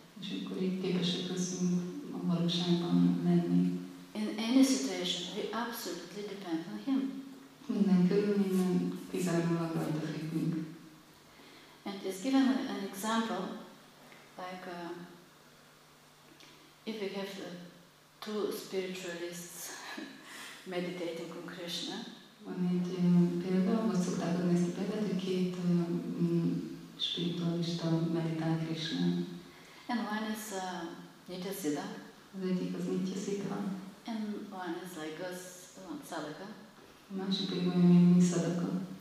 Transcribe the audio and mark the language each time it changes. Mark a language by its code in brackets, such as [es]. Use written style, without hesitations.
[hu] És akkor itt képesek leszünk a valóságban lenni. [en] In any situation, we absolutely depend on him. [hu] Minden körülményben kizárólag rajta függünk. [en] And it's given an example, like if we have two spiritualists meditating on Krishna. [hu] Van egy példa, most szokták adni ezt a példát, hogy két spiritualista meditál Krishna. [en] And one is Nityasiddha. [hu] Az egyik az Nityasiddha. [en] And one is like us, Sadaka. [hu] A másik pedig olyan, mint mi Sadaka.